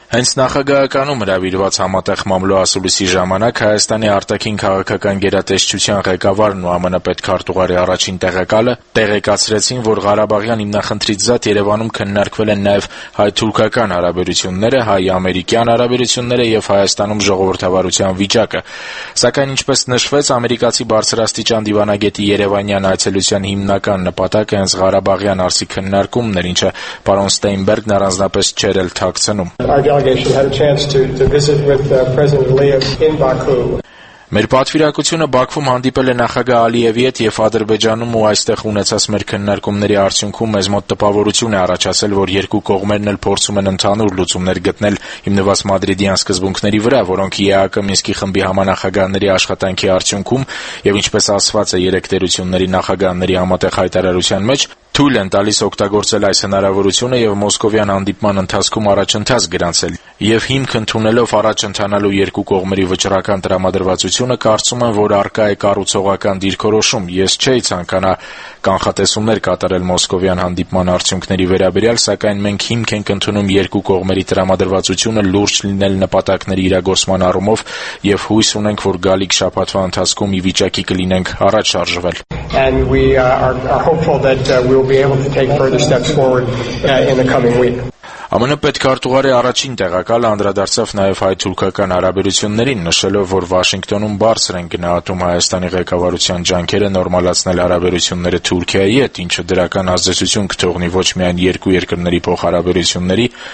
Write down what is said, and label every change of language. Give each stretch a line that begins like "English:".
Armenian: Հենց նախագահականում հրավիրված համատեղ մամլո ասուլիսի ժամանակ Հայաստանի արտաքին քաղաքական գերատեսչության ղեկավարն ու ԱՄՆ պետքարտուղարի առաջին տեղակալը տեղեկացրեցին, որ Ղարաբաղյան հիմնախնդրից զատ Երևանում քննարկվել են նաև հայ-թուրքական հարաբերությունները, հայ-ամերիկյան հարաբերությունները և Հայաստանում ժողովրդավարության վիճակը։ Սակայն, ինչպես նշվեց, ամերիկացի բարձրաստիճան դիվանագետի Երևանյան այցելության հիմնական նպատակը հենց Ղարաբաղյան արսի քննարկումն էր, ինչը պարոն Ստայնբերգն առանձնապես չէր էլ թաքցնում։
English: Our delegation had a chance to visit with President Aliyev in Baku.
Armenian: Մեր պատվիրակությունը Բաքվում հանդիպել է նախագահ Ալիևի հետ եւ Ադրբեջանում ու այստեղ ունեցած մեր քննարկումների արդյունքում մեզ մոտ տպավորություն է առաջացել, որ երկու կողմերն էլ փորձում են ընդհանուր լուծումներ գտնել հիմնված Մադրիդյան սկզբունքների վրա, որոնք ԵԱԿ-ի Մինսկի խմբի համանախագահների աշխատանքի արդյունքում եւ ինչպես ասված է երեք տերությունների նախագահների համատեղ հայտարարության մեջ, թույլ են տալիս օգտագործել այս հնարավորությունը եւ մոսկովյան հանդիպման ընթացքում առաջընթաց գրանցել եւ հիմք ընդունելով առաջընթանալու երկու կողմերի վճռական տրամադրվածությունը, կարծում եմ, որ արկա է կառուցողական դիրքորոշում։ Ես չէի ցանկանա կանխատեսումներ կատարել մոսկովյան հանդիպման արդյունքների վերաբերյալ, սակայն մենք հիմք ենք ընդունում երկու կողմերի տրամադրվածությունը լուրջ լինել նպատակների իրագործման առումով եւ հույս ունենք, որ գալիք շաբաթվա ընթացքում ի վիճակի կլինենք առաջ շարժվել։
English: And we are hopeful that we will be able to take further steps forward in the coming week.
Armenian: ԱՄՆ պետքարտուղարի առաջին տեղակալը անդրադարձավ նաև հայ-թուրքական հարաբերություններին, նշելով, որ Վաշինգտոնում բարձր են գնահատում Հայաստանի ղեկավարության ջանքերը նորմալացնել հարաբերությունները Թուրքիայի հետ, ինչը դրական ազդեցություն կթողնի ոչ միայն երկու երկրների փոխհարաբերությունների,